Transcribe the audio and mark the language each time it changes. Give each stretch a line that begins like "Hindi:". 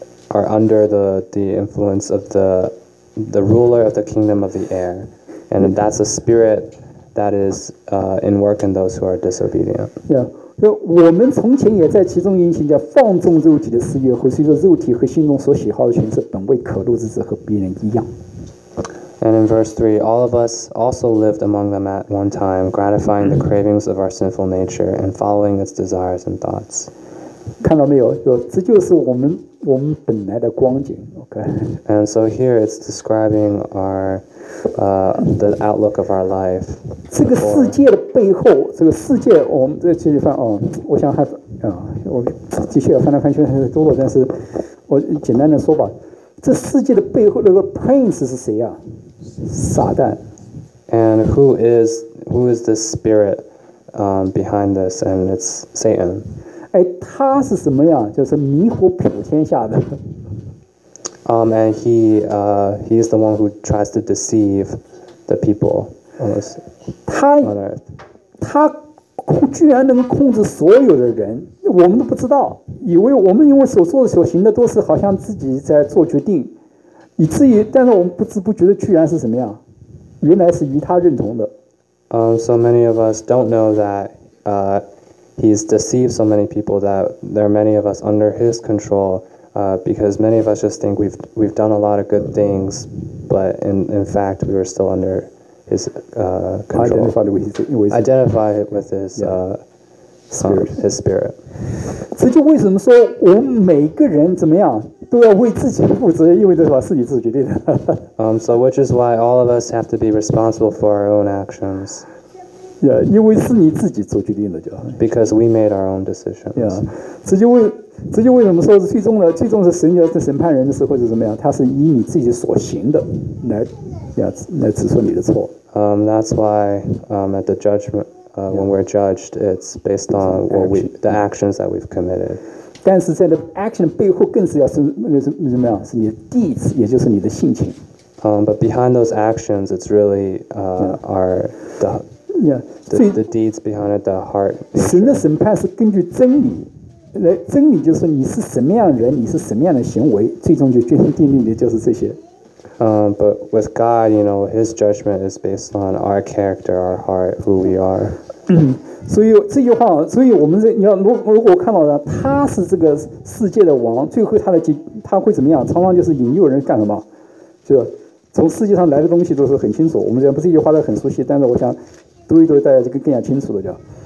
English: Are under the influence of the ruler of the kingdom of the air, and that's a spirit that is in work in those who are disobedient.
Chinese: Yeah, 就我们从前也在其中运行，叫放纵肉体的私欲，和随着肉体和心中所喜好的权势，本为可怒之子，和别人一样。
English: And in verse 3, all of us also lived among them at one time, gratifying the cravings of our sinful nature and following its desires and thoughts.
Chinese: 看到没有？这就是我们本来的光景。 OK。
English: And so here it's describing our, the outlook of our life.
Chinese: 这个世界的背后，这个世界，我们这继续翻哦。我想还啊，我继续要翻来翻去还是多了，但是我简单的说吧，这世界的背后那个 prince 是谁啊？撒旦。
English: And who is the spirit, behind this? And it's Satan.
Chinese: 哎，他是什么样？就是迷惑普天下的。
English: And he is the one who tries to deceive the people. He
Chinese: 居然能控制所有的人，我们都不知道，以为我们因为所做的所行的都是好像自己在做决定，以至于，但是我们不知不觉的居然是什么样？原来是与他认同的。
English: So many of us don't know that, He's deceived so many people that there are many of us under his control, Because many of us just think we've done a lot of good things, but in fact, we were still under his control. Identified with his spirit. His spirit.
Chinese: 这就为什么说我们每个人怎么样都要为自己负责，意味着把自己自己决定的。
English: So which is why all of us have to be responsible for our own actions.
Chinese: Yeah, 因为是你自己做决定的就。
English: Because we made our own decisions.
Chinese: Yeah, 这就为什么说最终是神要审判人的时候是怎么样，他是以你自己所行的来指出你的错。
English: That's why at the judgment,when we're judged, it's based on the actions that we've committed.
Chinese: 但是在
English: the action
Chinese: 背后更是要是什么样？是你的 deeds， 也就是你的性情。
English: But behind those actions, it's really the deeds behind it, the heart.
Chinese: 神的审判是根据真理，真理就是你是什么样的人，你是什么样的行为，最终就决定你的就是这些。
English: But with God, you know, His judgment is based on our character, our heart, who we are.
Chinese: 所以这句话，所以我们在你要如果看到了他是这个世界的王，最后他会怎么样？常常就是引诱人干什么？就从世界上来的东西都是很清楚。我们讲不是这句话都很熟悉，但是我想读一读，大家就更加清楚了。